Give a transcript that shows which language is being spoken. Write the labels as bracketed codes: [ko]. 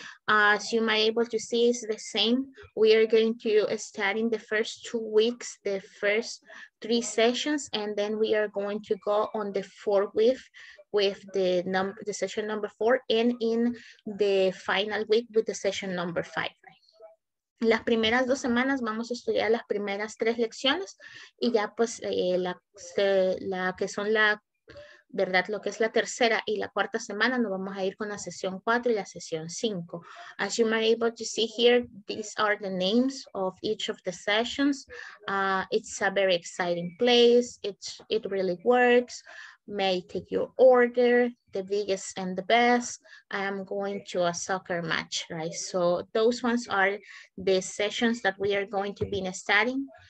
[en] As you might be able to see, it's the same. We are going to start in the first 2 weeks, the first 3 sessions, and then we are going to go on the 4th week with the session number 4 and in the final week with the session number 5. [es] Las primeras 2 semanas vamos a estudiar las primeras 3 lecciones y ya pues la que son la, ¿verdad? Lo que es la tercera y la cuarta semana nos vamos a ir con la sesión 4 y la sesión 5. [en] As you might be able to see here, these are the names of each of the sessions. It's a very exciting place. It really works. May take your order, the biggest and the best. I am going to a soccer match, right? So those ones are the sessions that we are going to be studying.